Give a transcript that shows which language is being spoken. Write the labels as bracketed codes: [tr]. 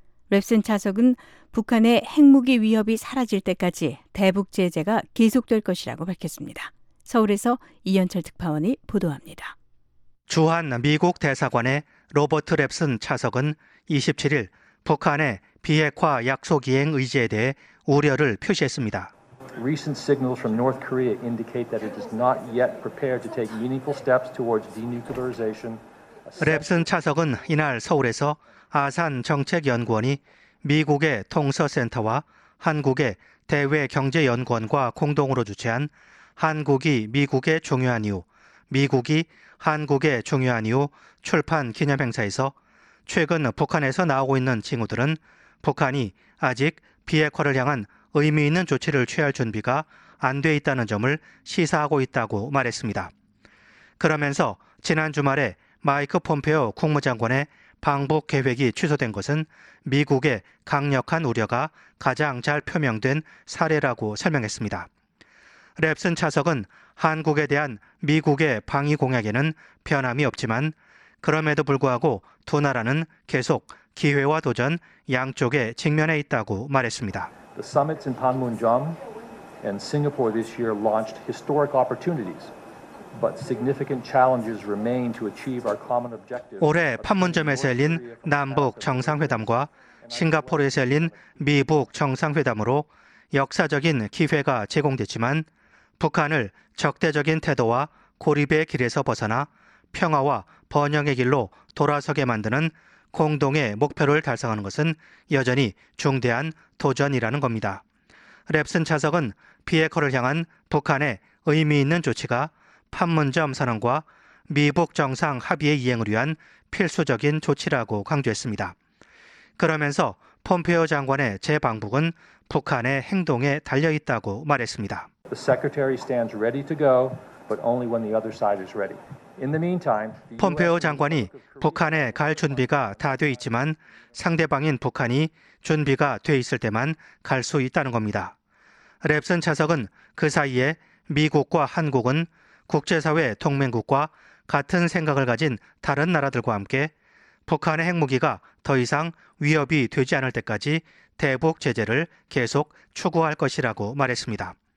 [ko] 랩슨 차석은 북한의 핵무기 위협이 사라질 때까지 대북 제재가 계속될 것이라고 밝혔습니다. 서울에서 이현철 특파원이 보도합니다. 주한 미국 대사관의 로버트 랩슨 차석은 27일 북한의 비핵화 약속 이행 의지에 대해 우려를 표시했습니다. [en] Recent signals from North Korea indicate that it is not yet prepared to take meaningful steps towards denuclearization. [ko] 랩슨 차석은 이날 서울에서 아산 정책연구원이 미국의 통서센터와 한국의 대외경제연구원과 공동으로 주최한 한국이 미국의 중요한 이유, 미국이 한국의 중요한 이유 출판 기념행사에서 최근 북한에서 나오고 있는 징후들은 북한이 아직 비핵화를 향한 의미 있는 조치를 취할 준비가 안 돼 있다는 점을 시사하고 있다고 말했습니다. 그러면서 지난 주말에 마이크 폼페오 국무장관의 방북 계획이 취소된 것은 미국의 강력한 우려가 가장 잘 표명된 사례라고 설명했습니다. 랩슨 차석은 한국에 대한 미국의 방위 공약에는 변함이 없지만 그럼에도 불구하고 두 나라는 계속 기회와 도전 양쪽에 직면해 있다고 말했습니다. [en] The summits in Panmunjom and Singapore this year launched historic opportunities. But significant challenges remain to achieve our common objective. [ko] 올해 판문점에서 열린 남북 정상회담과 싱가포르에서 열린 미북 정상회담으로 역사적인 기회가 제공됐지만 북한을 적대적인 태도와 고립의 길에서 벗어나 평화와 번영의 길로 돌아서게 만드는 공동의 목표를 달성하는 것은 여전히 중대한 도전이라는 겁니다. 랩슨 차석은 비핵화를 향한 북한의 의미 있는 조치가 판문점 선언과 미북 정상 합의의 이행을 위한 필수적인 조치라고 강조했습니다. 그러면서 폼페오 장관의 재방북은 북한의 행동에 달려 있다고 말했습니다. [en] The secretary stands ready to go, but only when the other side is ready. In the meantime, [ko] 폼페오 장관이 북한에 갈 준비가 다 돼 있지만 상대방인 북한이 준비가 돼 있을 때만 갈 수 있다는 겁니다. 랩슨 차석은 그 사이에 미국과 한국은 국제사회 동맹국과 같은 생각을 가진 다른 나라들과 함께 북한의 핵무기가 더 이상 위협이 되지 않을 때까지 대북 제재를 계속 추구할 것이라고 말했습니다.